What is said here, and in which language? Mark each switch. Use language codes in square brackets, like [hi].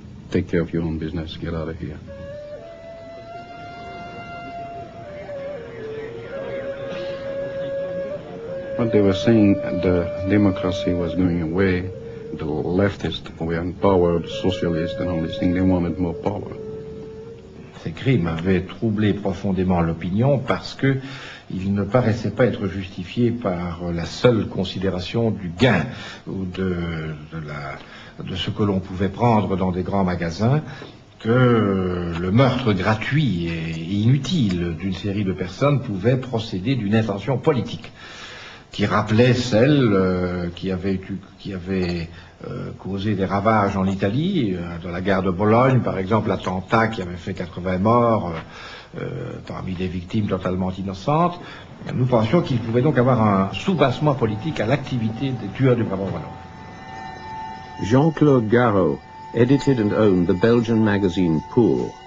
[en] Take care of your own business, get out of here. What they were saying, the democracy was going away, the leftists were in power, the socialists and all these things, they wanted more power. [fr] Ces crimes avaient troublé profondément l'opinion parce que ils ne paraissaient pas être justifiés par la seule considération du gain ou de ce que l'on pouvait prendre dans des grands magasins, que le meurtre gratuit et inutile d'une série de personnes pouvait procéder d'une intention politique. qui rappelait celle qui avait causé des ravages en Italie, dans la guerre de Bologne, par exemple, l'attentat qui avait fait 80 morts parmi des victimes totalement innocentes. Nous pensions qu'il pouvait donc avoir un soubassement politique à l'activité des tueurs du Brabant wallon. [en] Jean-Claude Garot edited and owned the Belgian magazine Pour.